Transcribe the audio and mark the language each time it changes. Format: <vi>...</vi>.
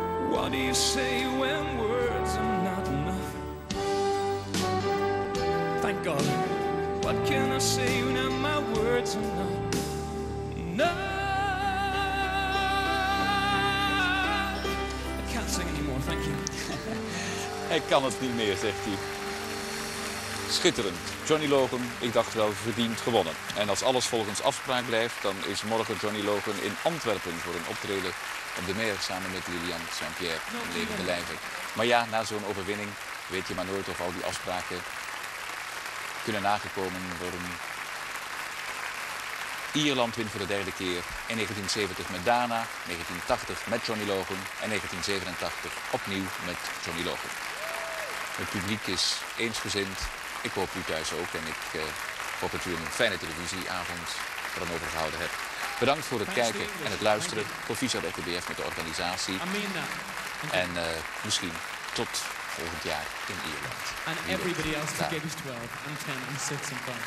<en>What do you say when words are not enough? Thank God. What can I say when my words are not enough? I can't sing anymore, thank you.</en> <nl>Hij kan het niet meer, zegt hij. Schitterend. Johnny Logan, ik dacht wel, verdiend gewonnen. En als alles volgens afspraak blijft, dan is morgen Johnny Logan in Antwerpen voor een optreden op de Meer samen met Lilian Saint-Pierre in levende lijven. Maar ja, na zo'n overwinning weet je maar nooit of al die afspraken kunnen nagekomen worden. Ierland wint voor de derde keer in 1970 met Dana, 1980 met Johnny Logan en 1987 opnieuw met Johnny Logan. Het publiek is eensgezind. Ik hoop u thuis ook en ik hoop dat u een fijne televisieavond er aan overgehouden hebt. Bedankt voor het kijken en het luisteren. Proficiat RTBF met de organisatie. En misschien tot volgend jaar in Ierland. En</nl> <en>everybody else to give us 12 and 10 and 6 and 5.</en>